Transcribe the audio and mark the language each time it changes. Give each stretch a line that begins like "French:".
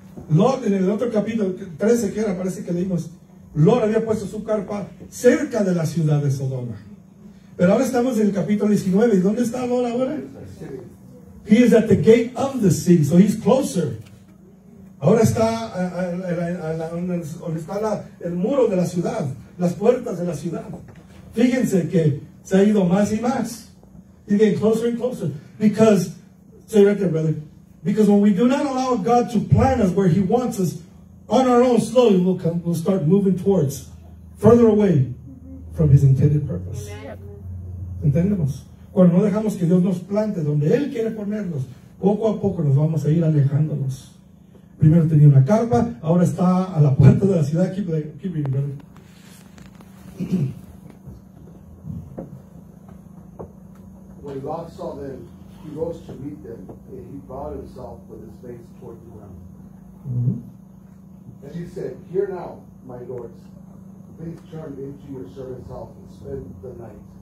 Spanish: Lot, en el otro capítulo, 13, que era, parece que leímos, Lot había puesto su carpa cerca de la ciudad de Sodoma. Pero ahora estamos en el capítulo 19. ¿Dónde está Lot ahora?
English: He is at the gate of the city, so he's closer.
Spanish: Ahora está donde está el muro de la ciudad, las puertas de la ciudad. Fíjense que se ha ido más y más.
English: He's getting closer and closer. Because, say right there, brother. Because when we do not allow God to plan us where he wants us, on our own, slowly we'll come, we'll start moving towards, further away from his intended purpose.
Spanish: ¿Entendemos? Cuando no dejamos que Dios nos plante donde él quiere ponernos, poco a poco nos vamos a ir alejándonos. Primero tenía una carpa, ahora está a la puerta de la ciudad.
English: Keep reading, brother. When God saw them, he rose to meet them, and he bowed himself with his face toward the ground. And he said, "Hear now, my lords, please turn into your servant's house and spend the night.